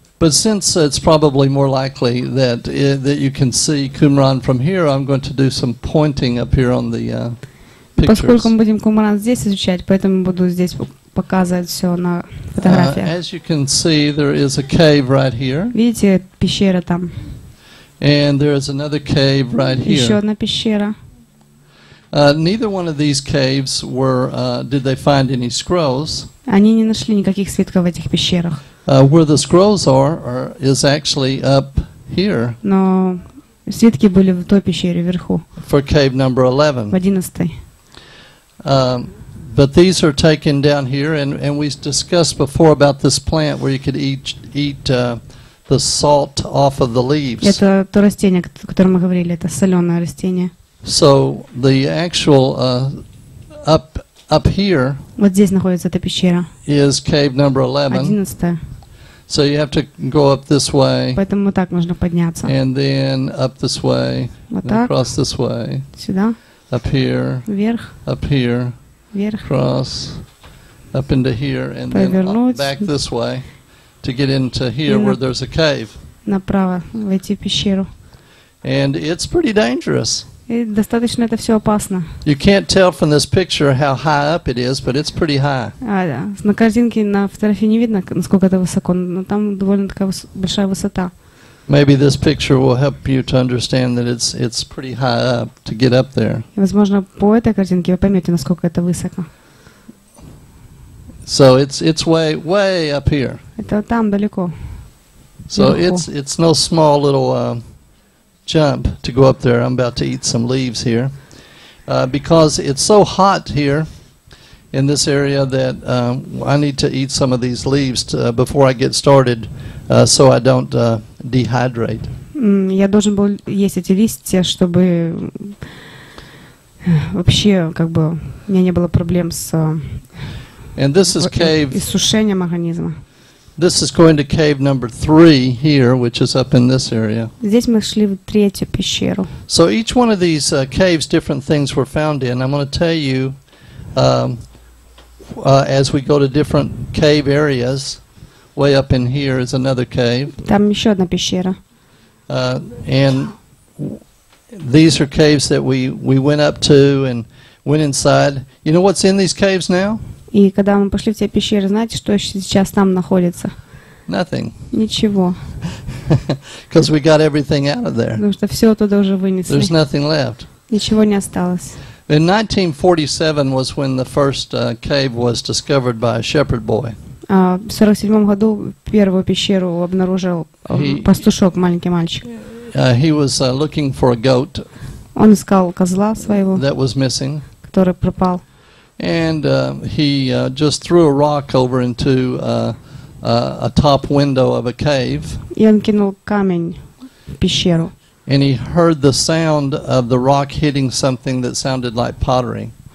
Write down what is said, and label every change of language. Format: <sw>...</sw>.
<en>But since it's probably more likely that that you can see Qumran from here, I'm going to do some pointing up here on the pictures.</en> <ru>Поскольку мы будем Qumran здесь изучать, поэтому буду здесь показывать все на фотографиях.</ru> <en>As you can see, there is a cave right here.</en> <ru>Видите, пещера там.</ru> <en>And there is another cave right here.</en> <ru>Еще одна пещера.</ru> <en>Neither one of these caves were did they find any scrolls?</en> <ru>Они не нашли никаких свитков в этих пещерах.</ru> <en>Where the scrolls are is actually up here.</en> <ru>Но свитки были в той пещере вверху.</ru> <en>For cave number 11.</en> <ru>В 11-й.</ru> <en>But these are taken down here, and we discussed before about this plant where you could eat the salt off of the leaves.</en> <ru>Это то растение, о котором мы говорили, это соленое растение.</ru> <en>So the actual up here.</en> <ru>Вот здесь находится эта пещера.</ru> <en>Is cave number 11.</en> <ru>11.</ru> <en>So you have to go up this way.</en> <ru>Поэтому вот так можно подняться.</ru> <en>And then up this way.</en> <ru>Вот так.</ru> <en>Across this way.</en> <ru>Сюда.</ru> <en>Up here.</en> <ru>Вверх.</ru> <en>Up here.</en> <ru>Вверх.</ru> <en>Across. Up into here, and</en> <ru>повернуть.</ru> <en>Then back this way to get into here where there's a cave.</en> <ru>Направо войти в пещеру.</ru> <en>And it's pretty dangerous.</en> <ru>И достаточно это все опасно.</ru> <en>You can't tell from this picture how high up it is, but it's pretty high.</en> <ru>А, да. На картинке, на фотографии не видно, насколько это высоко, но там довольно такая большая высота.</ru> <en>Maybe this picture will help you to understand that it's pretty high up to get up there.</en> <ru>И, возможно, по этой картинке вы поймете, насколько это высоко.</ru> <en>So it's way up here.</en> <ru>Это там далеко.</ru> <en>So it's no small little jump to go up there. I'm about to eat some leaves here because it's so hot here in this area that I need to eat some of these leaves before I get started so I don't dehydrate.</en> <ru>Я должен был есть эти листья, чтобы вообще как бы у меня не было проблем с иссушением организма.</ru> <en>This is going to cave number 3 here, which is up in this area.</en> <ru>Здесь мы шли в третью пещеру.</ru> <en>So each one of these caves, different things were found in. I'm going to tell you as we go to different cave areas. Way up in here is another cave.</en> <ru>Там еще одна пещера.</ru> <en>And these are caves that we went up to and went inside. You know what's in these caves now?</en> <ru>И когда мы пошли в те пещеры, знаете, что сейчас там находится?</ru> <en>Nothing.</en> <ru>Ничего.</ru> <en>Because we got everything out of there.</en> <ru>Потому что все оттуда уже вынесли.</ru> <en>There's nothing left.</en> <ru>Ничего не осталось.</ru> <en>In 1947 was when the first cave was discovered by a shepherd boy.</en> <ru>В 47 году первую пещеру обнаружил пастушок, маленький мальчик.</ru> <en>He was looking for a goat.</en> <ru>Он искал козла своего.</ru> <en>That was missing.</en> <ru>Который пропал.</ru> <en>And he just threw a rock over into a top window of a cave.</en> <ru>И он кинул камень в пещеру.</ru> <en>And he heard the sound of the rock hitting something that sounded like pottery.</en>